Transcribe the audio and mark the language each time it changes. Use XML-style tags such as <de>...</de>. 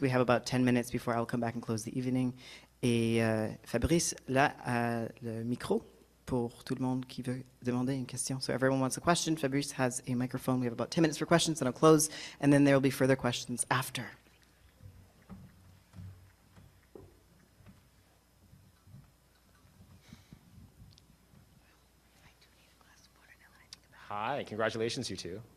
<en>We have about 10 minutes before I'll come back and close the evening.</en> <fr>Et Fabrice, là, a le micro pour tout le monde qui veut demander une question.</fr> <en>So everyone wants a question. Fabrice has a microphone. We have about 10 minutes for questions, then I'll close, and then there will be further questions after. Hi, congratulations, you two.</en>